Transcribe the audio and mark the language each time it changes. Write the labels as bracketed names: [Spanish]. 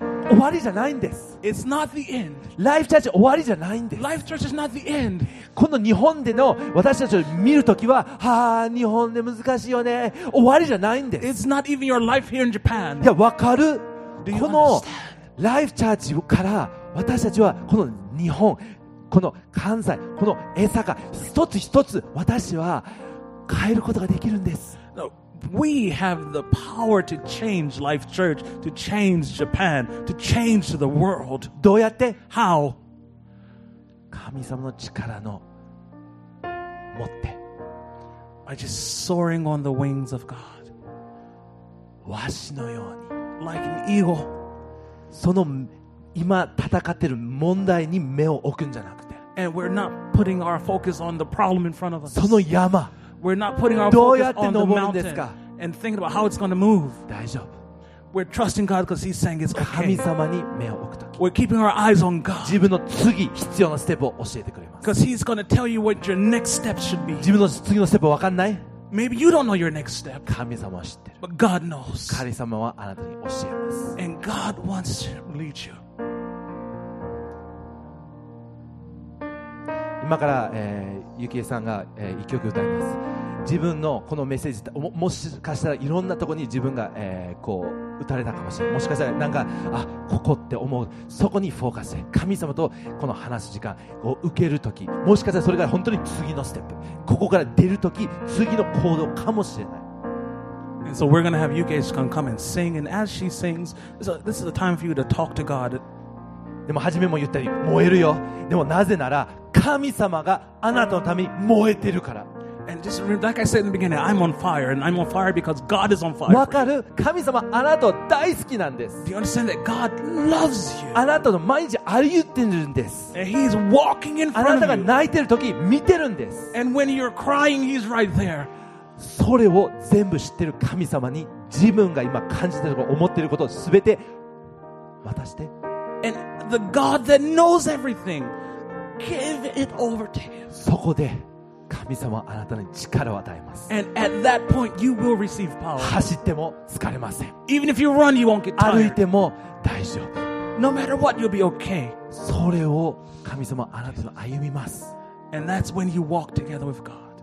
[Japanese] 終わりじゃないんです。 [English] It's not the end. [Japanese] Life Church 終わりじゃないんです。 [English] Life Church is not the end. [Japanese] この日本での私たちを見るときは、はあ、日本で難しいよね。終わりじゃないんです。 [English] It's not even your life here in Japan. [Japanese] いや、わかる。 [English] Do you understand? [Japanese] この Life Church から私たちはこの日本、この関西、この江坂、一つ一つ私は変えることができるんです。 [English] We have the power to change Life Church, to change Japan, to change the world. [Japanese] どうやって? [English] How? [Japanese] 神様の力の持って。 [English] By just soaring on the wings of God. [Japanese] わしのように。 [English] Like an eagle. [Japanese] その今戦ってる問題に目を置くんじゃなくて。 [English] And we're not putting our focus on the problem in front of us. [Japanese] その山。 [English] We're not putting our focus on the mountain and thinking about how it's going to move. [Japanese] 大丈夫。 [English] We're trusting God because He's saying it's okay. [Japanese] 神様に目を置くと [English] き。We're keeping our eyes on God. [Japanese] 自分の次必要なステップを教えてくれます。 [English] Because He's going to tell you what your next step should be. [Japanese] 自分の次のステップ分かんない? [English] Maybe you don't know your next step. [Japanese] 神様は知ってる。 [English] But God knows. [Japanese] 神様はあなたに教えます。 [English] And God wants to lead you. [Japanese] 今から、ゆきえさんが、一曲歌います。自分のこのメッセージ もしかしたらいろんなところに自分が、こう打たれたかもしれない。もしかしたらなんかあここって思う、そこにフォーカスで神様とこの話す時間を受けるとき、もしかしたらそれが本当に次のステップ、ここから出るとき次の行動かもしれない。 [English] And so we're going to have UK Shikan come and sing, and as she sings, so this is the time for you to talk to God. [Japanese] でも初めも言ったように燃えるよ。でもなぜなら神様があなたのために燃えてるから。 [English] And just remember, like I said in the beginning, I'm on fire, and I'm on fire because God is on fire. [Japanese] わかる? 神様、あなたを大好きなんです。 [English] Do you understand that God loves you? [Japanese] あなたの毎日歩いてるんです。 [English] And he's walking in front of you. [Japanese] あなたが泣いてる時、見てるんです。 [English] And when you're crying, he's right there. [Japanese] それを全部知ってる神様に、自分が今感じてるとか思ってることを全て渡して。 [English] And the God that knows everything, give it over to him. [Japanese] そこで、神様はあなたに力を与えます。 [English] And at that point, you will receive power. [Japanese] 走っても疲れません。 [English] Even if you run, you won't get tired. [Japanese] 歩いても大丈夫。 [English] No matter what, you'll be okay. [Japanese] それを神様はあなたと歩みます。 [English] And that's when you walk together with God.